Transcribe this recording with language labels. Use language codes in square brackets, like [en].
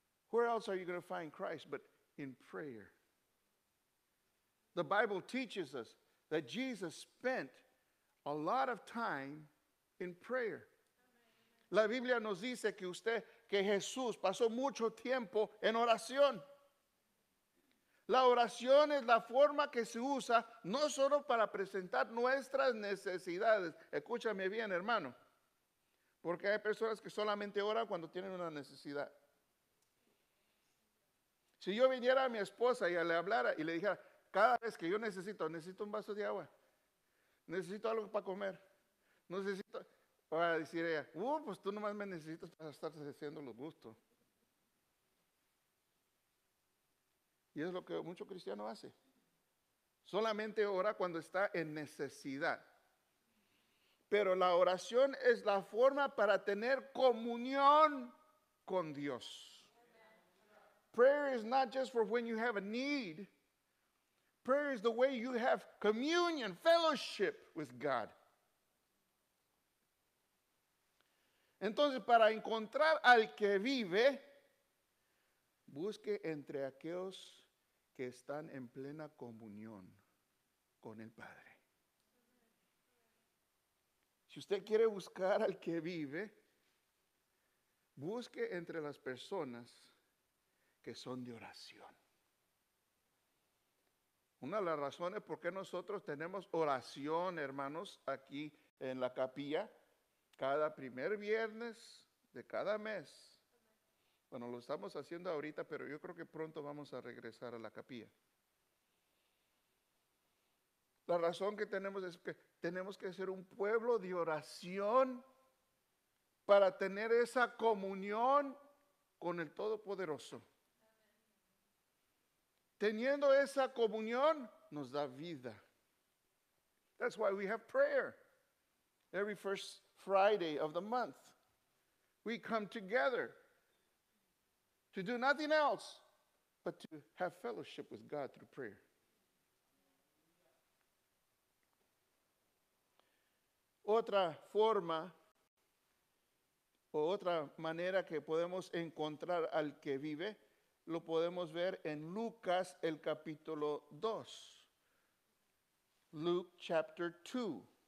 [en] Where else are you going to find Christ but in prayer? The Bible teaches us that Jesus spent a lot of time in prayer. [es] La Biblia nos dice que usted, que Jesús pasó mucho tiempo en oración. La oración es la forma que se usa no solo para presentar nuestras necesidades. Escúchame bien, hermano. Porque hay personas que solamente oran cuando tienen una necesidad. Si yo viniera a mi esposa y le hablara y le dijera, cada vez que yo necesito, necesito un vaso de agua, necesito algo para comer, necesito, para decir ella, pues tú nomás me necesitas para estar haciendo los gustos. Y es lo que mucho cristiano hace. Solamente ora cuando está en necesidad. Pero la oración es la forma para tener comunión con Dios. [en] Prayer is not just for when you have a need. Prayer is the way you have communion, fellowship with God. [es] Entonces, para encontrar al que vive, busque entre aquellos que están en plena comunión con el Padre. Si usted quiere buscar al que vive, busque entre las personas que son de oración. Una de las razones por qué nosotros tenemos oración, hermanos, aquí en la capilla, cada primer viernes de cada mes. Bueno, lo estamos haciendo ahorita, pero yo creo que pronto vamos a regresar a la capilla. La razón que tenemos es que tenemos que ser un pueblo de oración para tener esa comunión con el Todopoderoso. Teniendo esa comunión nos da vida. [en] That's why we have prayer every first Friday of the month. We come together to do nothing else but to have fellowship with God through prayer. [es] Otra forma o otra manera que podemos encontrar al que vive lo podemos ver en Lucas el capítulo 2. [en] Luke chapter 2.